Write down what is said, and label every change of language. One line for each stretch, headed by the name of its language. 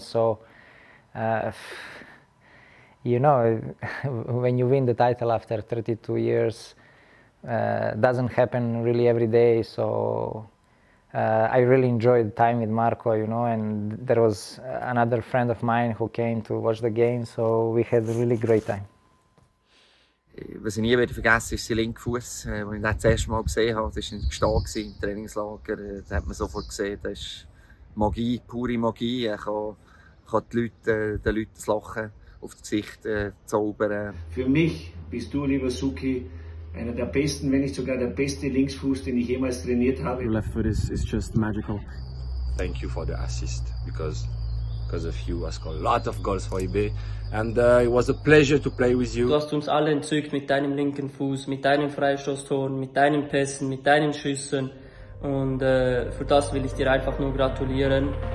English: So, you know, when you win the title after 32 years, doesn't happen really every day. So, I really enjoyed the time with Marco, you know, and there was another friend of mine who came to watch the game. So we had a really great time.
German: Was ich nie werde vergessen, ist sein linker Fuß, den ich das erste Mal gesehen habe. Das war gestanden im Trainingslager. Da hat man sofort gesehen, das ist Magie, pure Magie. Er kann den Leuten das Lachen auf das Gesicht zaubern. Für mich bist du, lieber Suki, einer der besten, wenn nicht sogar der beste Linksfuß, den ich jemals trainiert habe.
English: Your left foot is just magical. Thank you for the assist, because of you, I scored a lot of goals for YB. And it was a pleasure to play with you.
German: Du hast uns alle entzückt mit deinem linken Fuß, mit deinen Freistoßtoren, mit deinen Pässen, mit deinen Schüssen. Und für das will ich dir einfach nur gratulieren.